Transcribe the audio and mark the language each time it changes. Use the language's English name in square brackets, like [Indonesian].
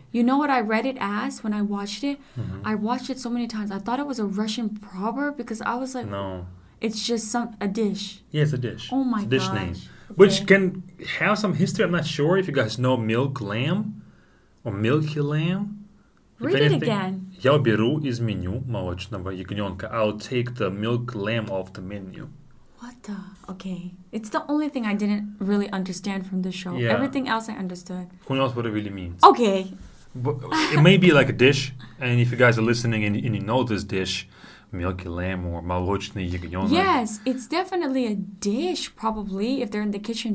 [English] You know what I read it as when I watched it? Mm-hmm. I watched it so many times. I thought it was a Russian proverb because I was like... No. It's just a dish. Yeah, it's a dish. Oh my gosh. Dish name. Okay. Which can have some history. I'm not sure if you guys know milk lamb or milky lamb. Read it again. [Russian] Я беру из меню молочного ягненка. [English] I'll take the milk lamb off the menu. What the? Okay. It's the only thing I didn't really understand from the show. Yeah. Everything else I understood. Who knows what it really means? Okay. It may be like a dish. And if you guys are listening and you know this dish, Mielki lamb or molochny yagnyonok. Yes, it's definitely a dish, probably, if they're in the kitchen.